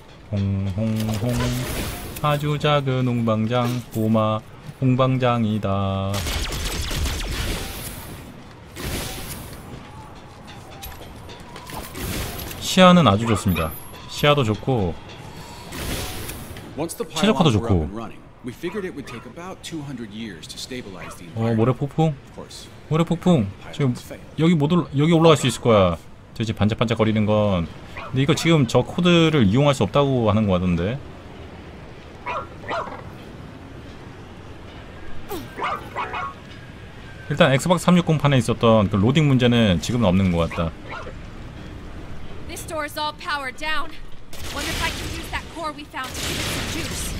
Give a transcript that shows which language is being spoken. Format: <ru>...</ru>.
<ko>홍홍홍 아주 작은 홍방장 꼬마 홍방장이다. 시야는 아주 좋습니다. 시야도 좋고 최적화도 좋고</ko> <en>We figured it would take about 200 years to stabilize the environment.</en> <ko>모래 폭풍? 모래 폭풍. 지금 여기 못 올라, 여기 올라갈 수 있을 거야. 도대체 반짝반짝 거리는 건. 근데 이거 지금 저 코드를 이용할 수 없다고 하는 거 같던데. 일단 엑스박스 360판에 있었던 그 로딩 문제는 지금은 없는 거 같다.</ko> <en>This door is all powered down. Wonder if I can use that core we found to get some juice.</en>